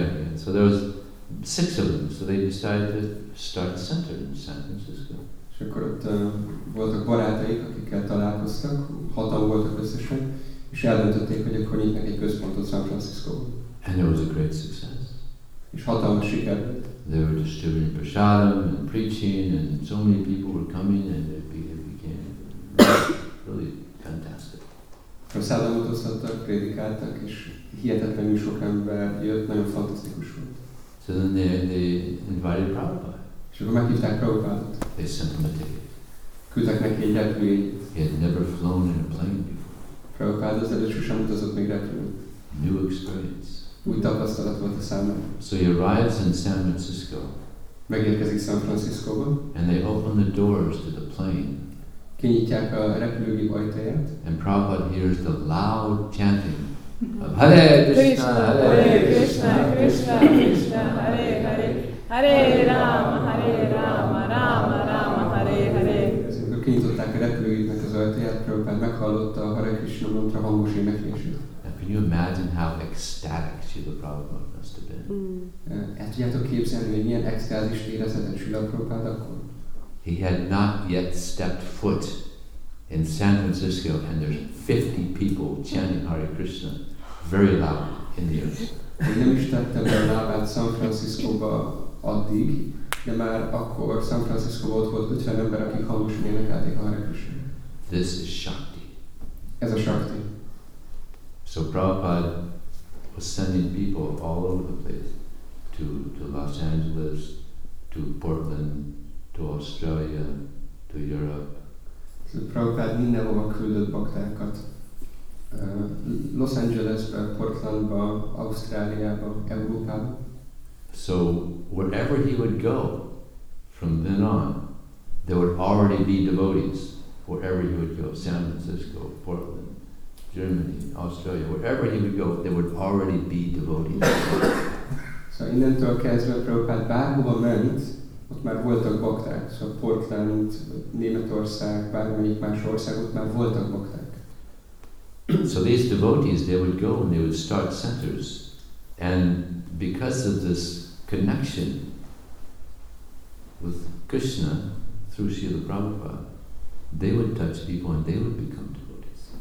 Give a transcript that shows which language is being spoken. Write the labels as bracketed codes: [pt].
[en] And so there was six of them. So they decided to start a center in San Francisco. [hu] És akkor ott voltak barátaik, akikkel találkoztak, hatan voltak összesen, és eldöntötték, hogy akkor nyitnak egy központot San Franciscóban. [en] And it was a great success. [hu] És hatalmas siker volt. [en] They were distributing prasadam and preaching, and so many people were coming, and it became really fantastic. [hu] Prasadamot osztottak, prédikáltak, és hihetetlenül sok ember jött, nagyon fantasztikus volt. [en] So then they invited Prabhupada. [hu] És akkor meghívták Prabhupádot. [en] They sent him a ticket. [hu] Küldtek neki egy repülőjét. [en] He had never flown in a plane before. [hu] Prabhupád az előtt sosem utazott még repülőt. [en] New experience. [hu] Új tapasztalat volt a számára. [en] So he arrives in San Francisco. [hu] Megérkezik San Franciscóba. [en] And they open the doors to the plane. [hu] Kinyitják a repülőgép ajtaját. [en] And Prabhupada hears the loud chanting of Hare Krishna, Hare Krishna, [sa] Krishna Krishna, Krishna Krishna, Hare Hare, Hare Rama, Hare Rama, Rama Rama, Hare Hare. [hu] Amikor kinyitották a repülőgépnek az ajtaját, Prabhupada meghallotta a Hare Krishna mantra hangos éneklését. [en] Can you imagine how ecstatic Srila Prabhupada must have been? [hu] El tudjátok képzelni, hogy milyen extázis érezhetett Srila Prabhupada akkor? [en] He had not yet stepped foot in San Francisco, and there's 50 people chanting Hare Krishna very loud in the earth. [hu] Nem is tette be a lábát San Franciscóba addig, de már akkor San Francisco volt 50 ember, akik hangosan énekelték Hare Krishna. [en] This is Shakti. [hu] Ez a Shakti. [en] So Prabhupada was sending people all over the place to Los Angeles, to Portland, to Australia, to Europe. [hu] So Prabhupada mindenhova küldött baktákat. Los Angelesbe, Portlandba, Ausztráliába, Európába. [en] So wherever he would go from then on, there would already be devotees wherever he would go, San Francisco, Portland, Germany, Australia, wherever he would go, there would already be devotees. [hu] So innentől kezdve Prabhupada bárhova ment, ott már voltak bakták. So Portland, Németország, bármelyik más ország, ott már voltak bakták. [en] So these devotees, they would go and they would start centers. And because of this connection with Krishna through Srila Prabhupada, they would touch people and they would become devotees.